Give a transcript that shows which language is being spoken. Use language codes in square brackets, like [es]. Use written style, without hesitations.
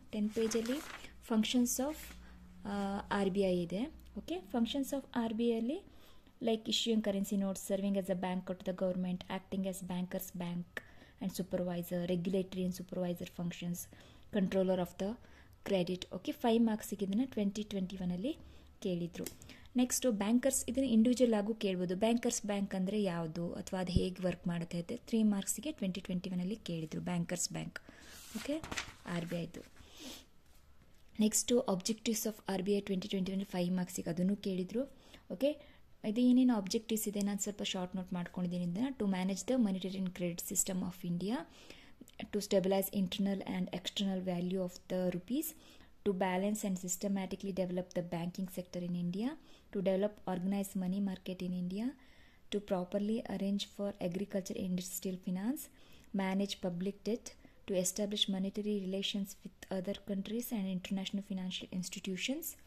[en] 10 page alli functions of RBI ide. Okay, functions of RBI alli like issuing currency notes, serving as a bank to the government, acting as bankers bank and supervisor, regulatory and supervisor functions, controller of the credit. [kn] Okay, 5 marks ikidina 2021 alli kelidru. Next to bankers ಇದನ್ನು individual ಆಗೂ ಕೇಳ್ಬೋದು, bankers bank ಅಂದರೆ ಯಾವುದು ಅಥವಾ ಅದು ಹೇಗೆ work ಮಾಡುತ್ತೆ ಅಂತ 3 marks ಟ್ವೆಂಟಿ 2021 ಕೇಳಿದ್ರು bankers bank. Okay, R B ಐದು. Next to objectives of R B I 2021 5 marks ಅದನ್ನು ಕೇಳಿದರು. ಓಕೆ, ಇದು ಏನೇನು ಆಬ್ಜೆಕ್ಟಿವ್ಸ್ ಇದೆ ನಾನು ಸ್ವಲ್ಪ ಶಾರ್ಟ್ ನೋಟ್ ಮಾಡ್ಕೊಂಡಿದ್ದೀನಿ. [en] ಇದನ್ನು to manage the monetary and credit system of India, to stabilise internal and external value of the rupees, to balance and systematically develop the banking sector in India, to develop organized money market in India, to properly arrange for agriculture and industrial finance, manage public debt, to establish monetary relations with other countries and international financial institutions.